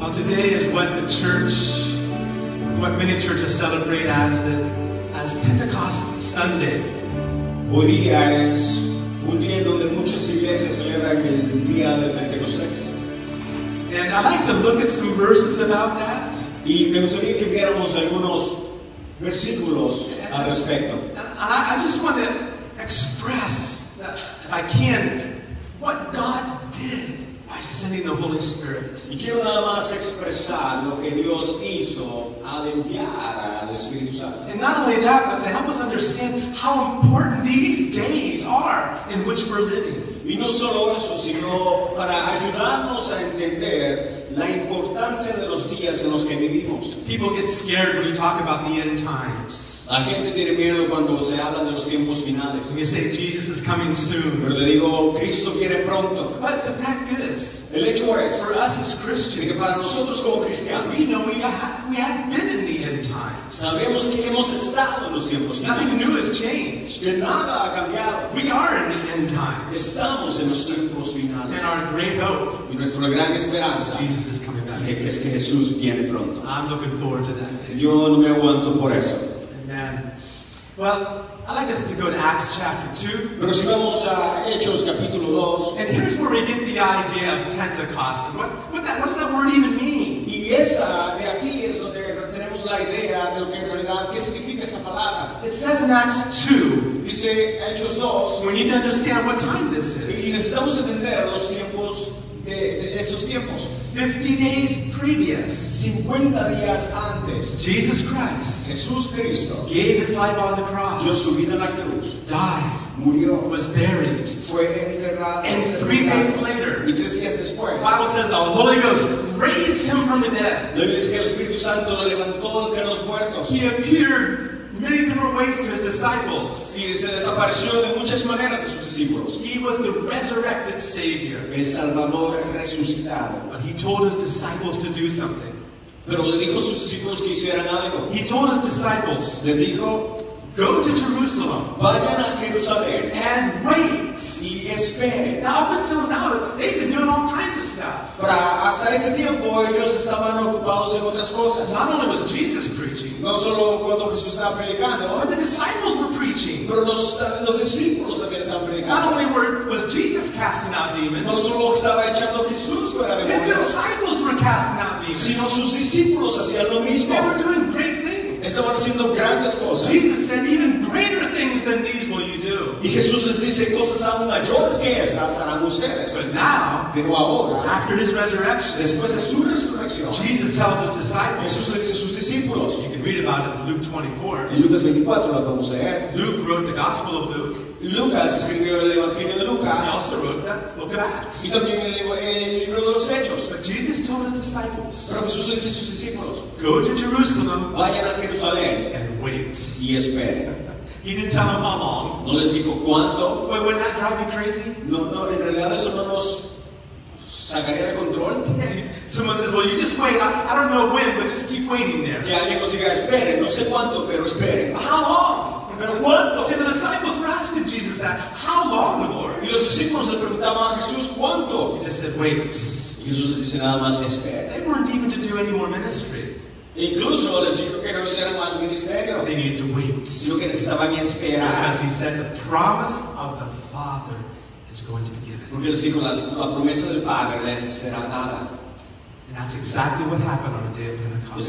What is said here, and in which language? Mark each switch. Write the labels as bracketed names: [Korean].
[English] Well, today is what the church, what many churches celebrate as Pentecost Sunday. [Spanish] Hoy día es un día donde muchas iglesias celebran el día del Pentecostés. [English] And I'd like to look at some verses about that. [Spanish] Y me gustaría que viéramos algunos versículos al respecto. [English] I just want to express, if I can, what God did by sending the Holy Spirit. [Spanish] Y quiero nada más expresar lo que Dios hizo al enviar al Espíritu Santo. [English] And not only that, but to help us understand how important these days are in which we're living. [Spanish] Y no solo eso, sino para ayudarnos a entender la importancia de los días en los que vivimos. [English] People get scared when you talk about the end times. [Spanish] La gente tiene miedo cuando se hablan de los tiempos finales. [English] You say, Jesus is coming soon. [Spanish] Pero te digo, Cristo viene pronto. [English] But the fact is, [Spanish] el hecho es, [English] for us as Christians, [Spanish] que para nosotros como cristianos, [English] we know we have been in the end times. [Spanish] Sabemos que hemos estado en los tiempos finales. [English] Nothing new has changed. [Spanish] Que nada ha cambiado. [English] We are in the end times. [Spanish] Estamos en los tiempos finales. [English] And our great hope. [Spanish] Y nuestra gran esperanza. [English] Jesus is coming back. [Spanish] Que es que Jesús viene pronto. [English] I'm looking forward to that day. [Spanish] Yo no me aguanto por eso. [English] Amen. Well, I'd like us to go to Acts chapter 2. [Spanish] Pero si vamos a Hechos capítulo 2. [English] And here's where we get the idea of Pentecost. What does that word even mean? [Spanish] Y esa de aquí es donde tenemos la idea de lo que en realidad, ¿qué significa esa palabra? [English] It says in Acts 2. [Spanish] Dice Hechos 2. [English] We need to understand what time this is. [Spanish] Y necesitamos entender los tiempos de estos tiempos. [English] 50 days previous, [Spanish] 50 días antes, [English] Jesus Christ, [Spanish] Jesús Cristo, [English] gave his life on the cross, [Spanish] dio su vida en la cruz, [English] died, [Spanish] murió, [English] was buried, [Spanish] fue enterrado, [English] and 3 days later, [Spanish] y 3 días después, [English] the Bible says the Holy Ghost raised him from the dead. [Spanish] La Biblia dice que el Espíritu Santo lo levantó entre los muertos. [English] He appeared many different ways to his disciples. [Spanish] Y se desapareció de muchas maneras a sus discípulos. [English] He was the resurrected Savior. [Spanish] El Salvador resucitado. [English] But he told his disciples to do something. [Spanish] Pero le dijo a sus discípulos que hicieran algo. [English] He told his disciples, [Spanish] le dijo, [English] Go to Jerusalem. [Spanish] Vayan a Jerusalén. [English] And wait. [Spanish] Y espere. [English] Now up until now, they've been doing all kinds of stuff. [Spanish] Pero hasta ese tiempo ellos estaban ocupados en otras cosas. [English] Not only was Jesus preaching. [Spanish] No solo cuando Jesús estaba predicando. [English] But the disciples were preaching. [Spanish] Pero los discípulos también estaban predicando. [English] Not only was Jesus casting out demons. [Spanish] No solo estaba echando Jesús fuera demonios. [English] His disciples were casting out demons. [Spanish] Sino sus discípulos hacían lo mismo. [English] They were doing great things. [Spanish] Estaban haciendo grandes cosas. [English] Jesus said, "Even greater things than these will you do." [Spanish] Y Jesús les dice cosas aún mayores que estas harán ustedes. [English] But now, [Spanish] pero ahora, [English] after his resurrection, [Spanish] después de su resurrección, [English] Jesus tells his disciples. [Spanish] Jesús le dice a sus discípulos. [English] You can read about it in Luke 24. [Spanish] En Lucas 24 lo vamos a leer. [English] Luke wrote the Gospel of Luke. [Spanish] Lucas escribió el Evangelio de Lucas. [English] He also wrote the Book of Acts. [Spanish] Y también el libro de los Hechos. [English] But Jesus told his disciples. [Spanish] Pero Jesús le dice a sus discípulos. [English] Go to Jerusalem. [Spanish] Vayan a Jerusalén. [English] And wait. [Spanish] Y esperen. [English] He didn't tell them how long. [Spanish] No les dijo cuánto. [English] Wait, wouldn't that drive you crazy? [Spanish] No, en realidad eso no nos sacaría de control. [English] Someone says, "Well, you just wait. I don't know when, but just keep waiting there." [Spanish] Que alguien nos diga, espere, no sé cuánto, pero espere. [English] How long? [Spanish] Pero cuánto? [English] And the disciples were asking Jesus that. How long, Lord? [Spanish] Y los discípulos le preguntaban a Jesús cuánto. [English] He just said, "Wait." [Spanish] Y Jesús les dice nada más, espere. [English] They weren't even to do any more ministry. [Spanish] Incluso les dijo que no hicieran más ministerio. [English] They needed to wait. [Spanish] Sino que necesitaban esperar. [English] Because he said the promise of the Father is going to be given. [Spanish] Porque les dijo la promesa del Padre les será dada. [English] And that's exactly what happened on the day of Pentecost.